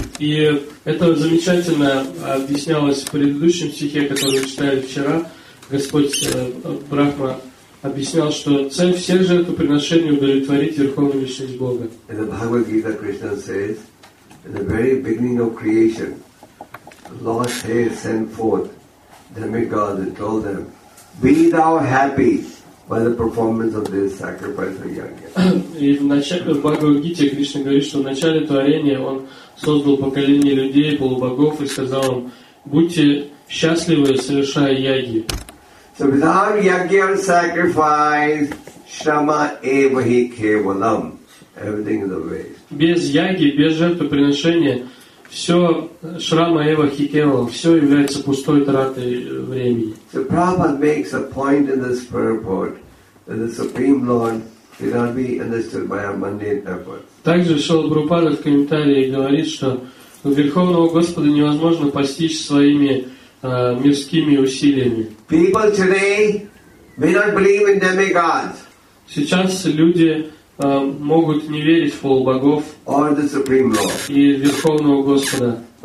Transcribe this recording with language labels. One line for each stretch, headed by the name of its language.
Russian: И это замечательно объяснялось в предыдущем стихе, который читали вчера. Господь Брахма объяснял, что цель всех жертвоприношений удовлетворить Верховную Личность Бога.
English: In the Bhagavad Gita, Krishna says, in the very beginning of creation, Lord has sent forth demigods and told them, be thou happy, by the performance of this sacrifice of Yajna.
Russian: И в начале Бхагавад-гите Кришна говорит, что в начале творения он создал поколение людей, полубогов и сказал им: будьте счастливы, совершая яги.
English: So without yajna sacrifice,
Sanskrit: shrama eva hi kevalam.
English: Everything is a waste.
Russian: Без яги, без жертвоприношения, все
Sanskrit: шрама эва хи кевалам,
Russian: все является пустой тратой времени.
English: So Prabhupada makes a point in this purport that the Supreme Lord cannot be understood by our mundane efforts.
Russian: Также Шрила Прабхупада в комментарии говорит, что Верховного Господа невозможно постичь своими мирскими усилиями.
English: People today may not believe in demigods.
Russian: Сейчас люди могут не верить в полубогов и Верховного Господа.